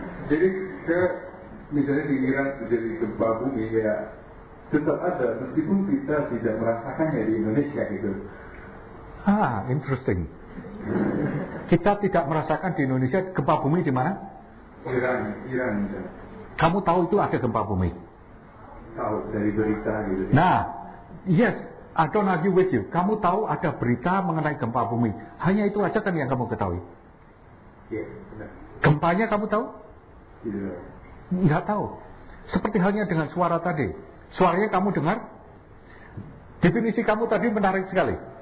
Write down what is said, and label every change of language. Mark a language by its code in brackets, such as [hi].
[id] Jadi ke misalnya di Iran terjadi gempa bumi ya tetap ada meskipun kita tidak merasakannya di Indonesia gitu. Ah, interesting. Kita tidak merasakan di Indonesia gempa bumi di mana? Iran. Kamu tahu itu ada gempa bumi? Tahu dari berita gitu. [en] Nah, yes, I don't argue with you. [id] Kamu tahu ada berita mengenai gempa bumi. Hanya itu aja kan yang kamu ketahui. Yeah, gempanya kamu tahu? Tidak. Nggak tahu. Seperti halnya dengan suara tadi. Suaranya kamu dengar? Definisi kamu tadi menarik sekali.